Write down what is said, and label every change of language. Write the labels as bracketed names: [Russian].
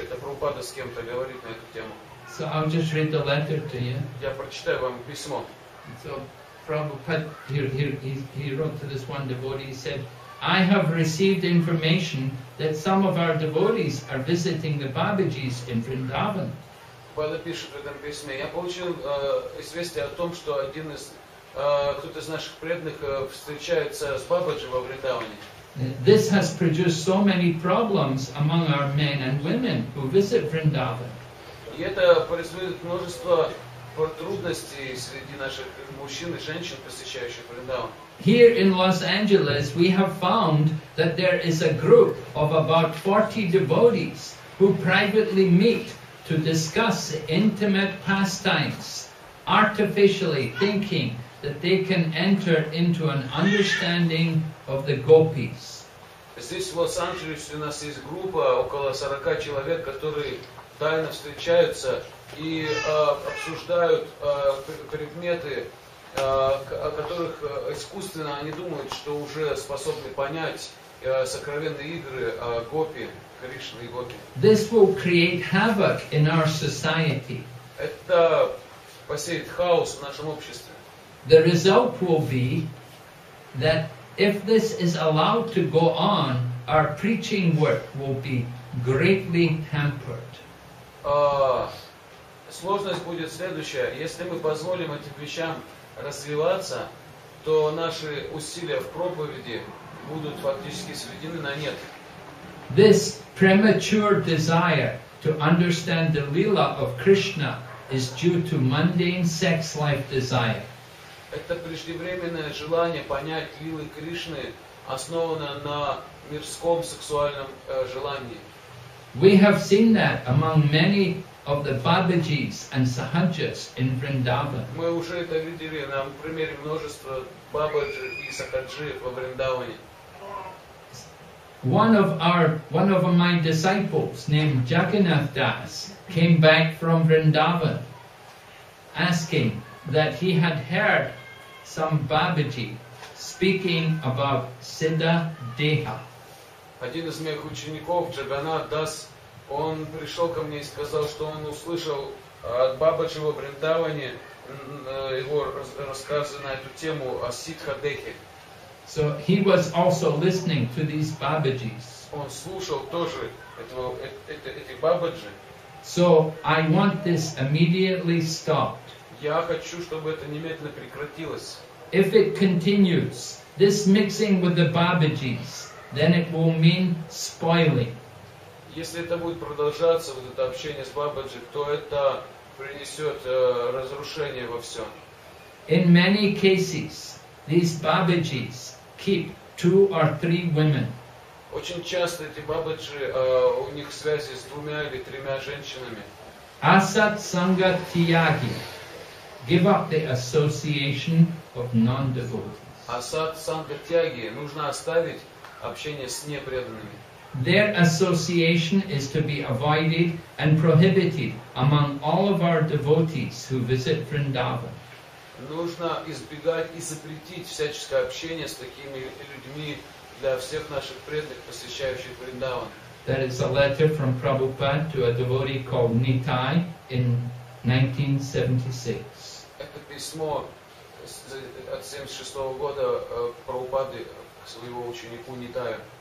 [Russian] Это Прабхупада с кем-то говорит на эту тему. [English] So I'll just read the letter to you. [Russian] Я прочитаю вам письмо. [English] So Prabhupada, he wrote to this one devotee, he said, I have received information that some of our devotees are visiting the Babaji's in Vrindavan. [Russian] Prabhupada пишет в этом письме, я получил известие о том, что один из, кто-то из наших преданных встречается с Бабаджи во Вриндаване. [English] This has produced so many problems among our men and women who visit Vrindavan. [Russian] И это производит множество трудностей среди наших мужчин и женщин, посещающих Вриндаван. [English] Here in Los Angeles, we have found that there is a group of about 40 devotees who privately meet to discuss intimate pastimes, artificially thinking that they can enter into an understanding of the gopis. [Russian] Здесь в Лос-Анджелесе у нас есть группа около 40 человек, которые тайно встречаются и обсуждают предметы, о которых искусственно они думают, что уже способны понять сокровенные игры гопи, Кришны и гопи. [English] This will create havoc in our society. [Russian] Это посеет хаос в нашем обществе. [English] The result will be that if this is allowed to go on, our preaching work will be greatly hampered. [Russian] Сложность будет следующая. Если мы позволим этим вещам развиваться, то наши усилия в проповеди будут фактически сведены на нет. [English] This premature desire to understand the lila of Krishna is due to mundane sex life desire. [Russian] Это преждевременное желание понять лилы Кришны основано на мирском сексуальном желании. [English] We have seen that among many of the Babajis and Sahajas in Vrindavan. [Russian] Мы уже это видели на примере множества Бабаджи и Сахаджи во Вриндаване. [English] One of my disciples named Jagannath Das came back from Vrindavan asking that he had heard some Babaji speaking about Siddha Deha. [Russian] Один из моих учеников, Джаганнат Дас, он пришел ко мне и сказал, что он услышал от Бабаджи во Вриндаване его рассказы на эту тему о Сиддха Дехе. [English] So he was also listening to these Babajis. [Russian] Он слушал тоже этих Бабаджи. [English] So I want this immediately stopped. [Russian] Я хочу, чтобы это немедленно прекратилось. [English] If it continues, this mixing with the Babajis, then it will mean spoiling. [Russian] Если это будет продолжаться, вот это общение с Бабаджи, то это принесет разрушение во всем. [English] In many cases, these Babajis keep two or three women. [Russian] Очень часто эти Бабаджи, у них связи с двумя или тремя женщинами. [English] Asat Sangha Tyagi, give up the association of non-devotees. [Russian] Asat Sangha Tyagi, нужно оставить общение с непреданными. [English] Their association is to be avoided and prohibited among all of our devotees who visit Vrindavan. [Russian] Нужно избегать и запретить всяческое общение с такими людьми для всех наших преданных, посещающих Вриндаван. [English] That is a letter from Prabhupada to a devotee called Nitai in 1976. [Russian] Это письмо от 1976 года Прабхупады к своего ученику Нитаю.